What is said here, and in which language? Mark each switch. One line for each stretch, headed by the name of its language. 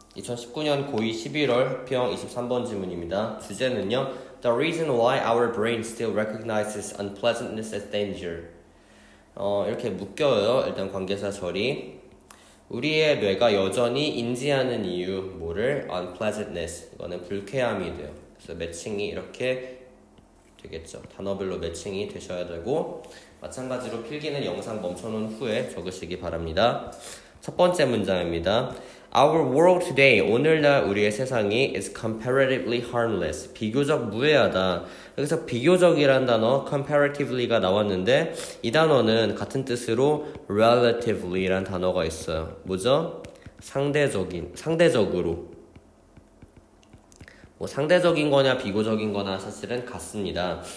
Korean: 2019년 고2 11월 평 23번 질문입니다. 주제는요.
English: The reason why our brain still recognizes unpleasantness as danger.
Korean: 이렇게 묶여요. 일단 관계사 처리. 우리의 뇌가 여전히 인지하는 이유 뭐를? Unpleasantness. 이거는 불쾌함이 돼요. 그래서 매칭이 이렇게 되겠죠. 단어별로 매칭이 되셔야 되고 마찬가지로 필기는 영상 멈춰놓은 후에 적으시기 바랍니다. 첫 번째 문장입니다.
English: Our world today,
Korean: 오늘날 우리의 세상이
English: is comparatively harmless.
Korean: 비교적 무해하다. 여기서 비교적이라는 단어 comparatively가 나왔는데 이 단어는 같은 뜻으로 relatively라는 단어가 있어요. 뭐죠? 상대적으로. 뭐 상대적인 거냐 비교적인 거냐 사실은 같습니다.